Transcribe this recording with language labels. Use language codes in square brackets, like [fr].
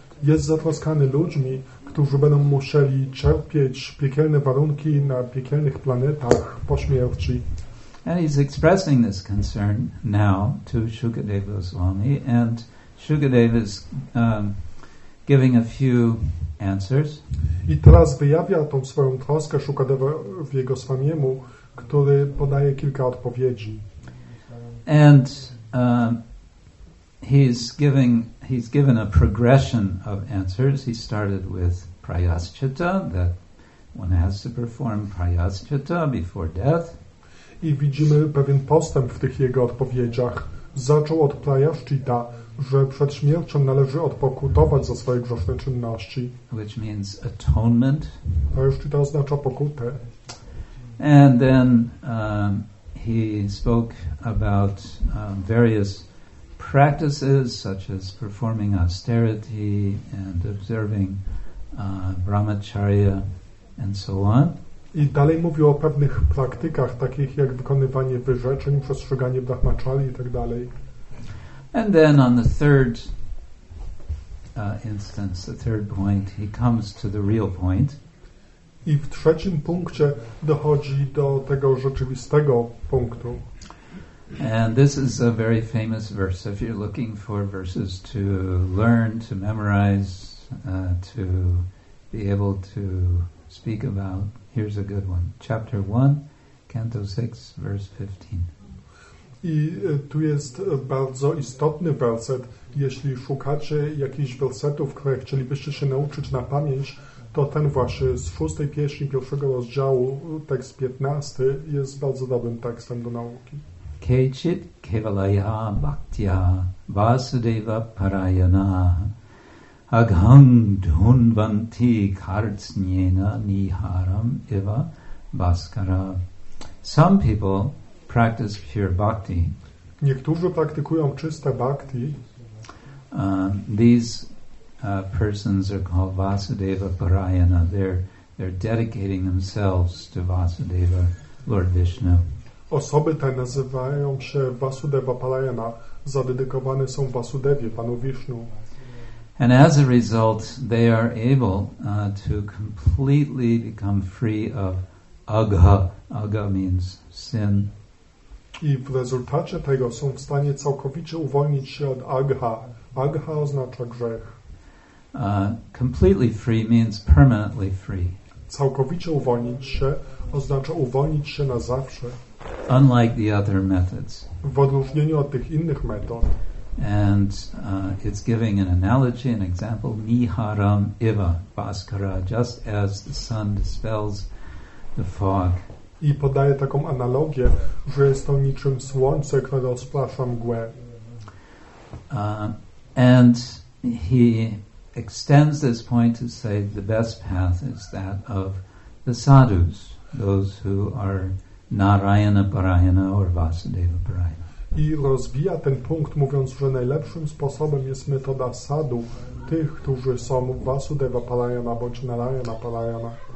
[pl] Jest zatroskany ludźmi, którzy będą musieli cierpieć piekielne warunki na piekielnych planetach po śmierci. [en] And he's expressing this concern now to Shukadeva Goswami, and Shukadeva is giving a few answers. [pl] I teraz wyjawia tą swoją troskę Shukadeva w jego swamiemu, który podaje kilka odpowiedzi. [en] And he's given a progression of answers. He started with prayaschitta, that one has to perform prayaschitta before death. [pl] I widzimy pewien postęp w tych jego odpowiedziach. Zaczął od prayaschitta, że przed śmiercią należy odpokutować za swoje grzeszne czynności. [en] Which means atonement. [pl] Prayaschitta oznacza pokutę. [en] And then he spoke about various practices such as performing austerity and observing brahmacharya and so on. [pl] I dalej mówił o pewnych praktykach takich jak wykonywanie wyrzeczeń, przestrzeganie brahmacharya i tak dalej. [en] And then on the third instance, the third point, he comes to the real point. [pl] I w trzecim punkcie dochodzi do tego rzeczywistego punktu. [en] And this is a very famous verse. If you're looking for verses to learn, to memorize, to be able to speak about, here's a good one. Chapter 1, Canto 6, verse 15. [pl] I tu jest bardzo istotny werset. Jeśli szukacie jakichś wersetów, które chcielibyście się nauczyć na pamięć, to ten właśnie z szóstej pieśni pierwszego rozdziału, tekst 15, jest bardzo dobrym tekstem do nauki. [sa] Kechit kevalaya bhaktya vasudeva parayana aghang dhunvanti kartsnyena niharam eva bhaskara. [en] Some people practice pure bhakti. [pl] Niektórzy praktykują czyste bhakti. [en] These persons are called vasudeva parayana. They're dedicating themselves to Vasudeva, Lord Vishnu. [pl] Osoby te nazywają się Vasudeva Parayana, zadedykowane są Vasudevie, Panu Vishnu. [en] And as a result, they are able to completely become free of agha. Agha means sin. [pl] I w rezultacie tego są w stanie całkowicie uwolnić się od agha. Agha oznacza grzech. [en] Completely free means permanently free. [pl] Całkowicie uwolnić się oznacza uwolnić się na zawsze. [en] Unlike the other methods. [pl] W odróżnieniu od tych innych metod. [en] And it's giving an analogy, an example, [sa] niharam eva bhaskara, [en] just as the sun dispels the fog. [pl] I podaje taką analogię, że jest to niczym słońce, które rozprasza mgłę. [en] And he extends this point to say the best path is that of the sadhus, those who are Narayana Parayana or Vasudeva Parayana. [pl] I rozwija ten punkt, mówiąc, że najlepszym sposobem jest metoda sadhu, tych, którzy są Vasudeva Parayana bądź Narayana Parayana.